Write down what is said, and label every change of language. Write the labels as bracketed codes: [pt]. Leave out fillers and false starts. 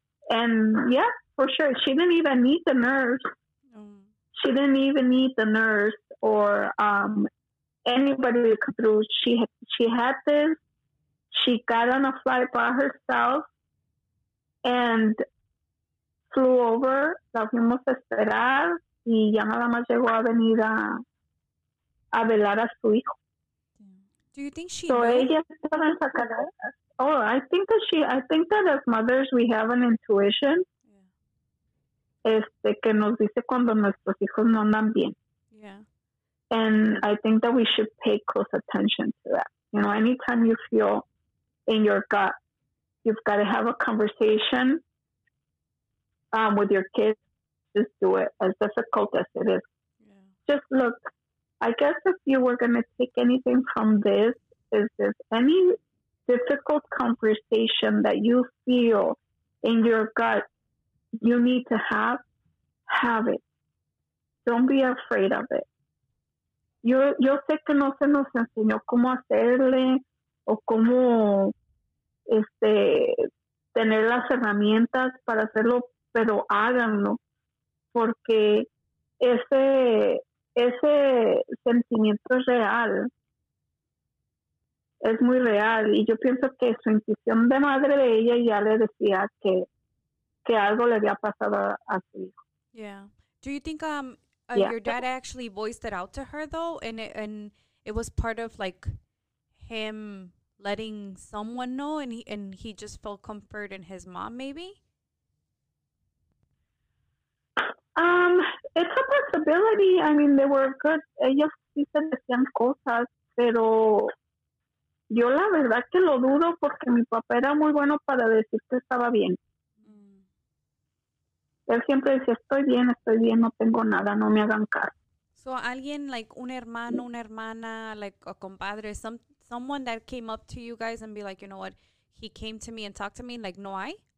[en] And yeah, for sure. She didn't even need the nurse. She didn't even need the nurse or anybody to come through. She had this. She got on a flight by herself and flew over. [es] La fuimos a esperar. Y ya nada más llegó a venir a velar a su hijo. [en] Do you think she so knows? [es] Ella estaba en sacada. [en] Oh, I think that as mothers we have an intuition. Yeah. [es] Que nos dice cuando nuestros hijos no andan bien. [en] Yeah. And I think that we should pay close attention to that. You know, anytime you feel in your gut, you've got to have a conversation with your kids. Just do it, as difficult as it is. Yeah. Just look. I guess if you were going to take anything from this, is this any difficult conversation that you feel in your gut you need to have it. Don't be afraid of it. [es] Yo sé que no se nos enseñó cómo hacerle o cómo tener las herramientas para hacerlo, pero háganlo, porque ese sentimiento es real. Es muy real. Y yo pienso que su intuición de madre de ella ya le decía que algo le había pasado a su hijo. [en] Yeah. Do you think yeah. your dad actually voiced it out to her, though? And it was part of, like, him letting someone know, and he just felt comfort in his mom, maybe? It's a possibility. I mean, they were good. [es] Ellos sí se decían cosas, pero yo la verdad que lo dudo porque mi papá era muy bueno para decir que estaba bien. Mm. Él siempre decía, estoy bien, no tengo nada, no me hagan caso. [en] So [es] alguien, [en] like [es] un hermano, una hermana, [en] like a compadre, someone that came up to you guys and be like, you know what, he came to me and talked to me, like, [es] no hay?